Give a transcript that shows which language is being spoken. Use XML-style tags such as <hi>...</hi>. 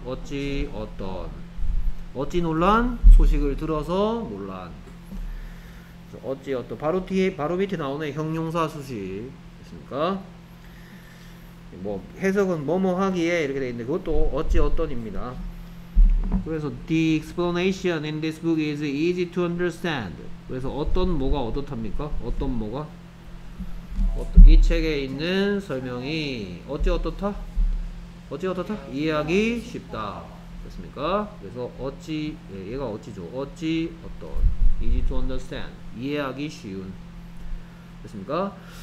<ko>어찌 어떤 어찌 놀란 소식을 들어서 놀란 어찌 어떤 바로 뒤에 바로 밑에 나오는 형용사 수식 됐습니까? 뭐 해석은 뭐뭐 하기에 이렇게 돼 있는데 그것도 어찌 어떤입니다. 그래서</ko> <en>the explanation in this book is easy to understand.</en> <ko>그래서 어떤 뭐가 어떻답니까? 어떤 뭐가 이 책에 있는 설명이 어찌 어떻다? 어찌 어떻다? 이해하기 쉽다. 됐습니까? 그래서 어찌, 얘가 어찌죠? 어찌 어떤.</ko> <en>easy to understand.</en> <ko>이해하기 쉬운. 됐습니까?</ko>